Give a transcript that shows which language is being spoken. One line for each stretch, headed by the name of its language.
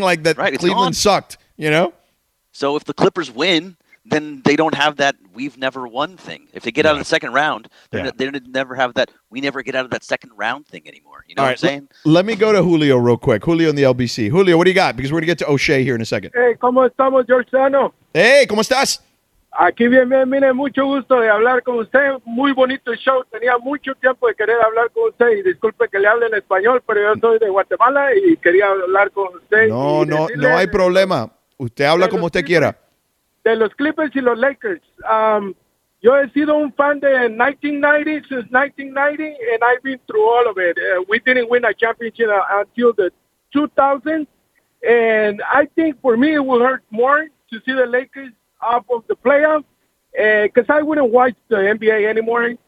English: Like that Cleveland sucked, you know? So if the Clippers win, then they don't have that we've never won thing. If they get out of the second round, they never have that we never get out of that second round thing anymore. You know all what right, I'm saying? Let me go to Julio real quick. Julio in the LBC. Julio, what do you got? Because we're going to get to O'Shea here in a second.
Spanish: Hey, ¿cómo estamos, Georgiano? Hey, ¿cómo estás? Aquí bien, bien, mire, mucho gusto de hablar con usted. Muy bonito el show. Tenía mucho tiempo de querer hablar con usted. Y disculpe que le hable en español, pero yo soy de Guatemala y quería hablar con usted. No, no, no hay problema. Usted habla como usted quiera. De los Clippers y los Lakers. Yo he sido un fan de 1990,
English: since 1990, and I've been through all of it. We didn't win a championship until the 2000s. And I think for me, it will hurt more to see the Lakers off of the playoffs because I wouldn't watch the NBA anymore.